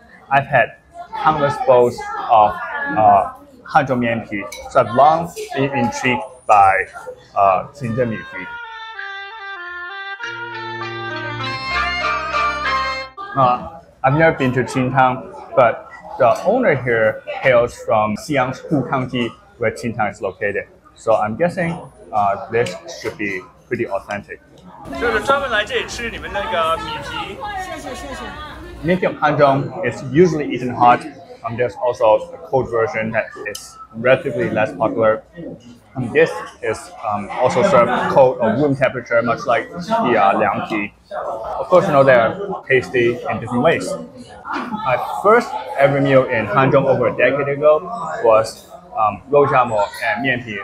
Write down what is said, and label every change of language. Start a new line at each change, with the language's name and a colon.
English: I've had countless bowls of hanzhong mianpi, so I've long been intrigued by qinzhen mianpi. I've never been to qintang, but the owner here hails from Xi'an's Hu County, where qintang is located. So I'm guessing this should be pretty authentic.
Chinese: 就是专门来这里吃你们那个米皮。谢谢谢谢。
English: Mian kanzhong is usually eaten hot. There's also a cold version that is relatively less popular. This is also served cold or room temperature, much like the liangpi. Of course, you know they're tasty in different ways. My first ever meal in Hanzhong over a decade ago was roujiamo and mianpi.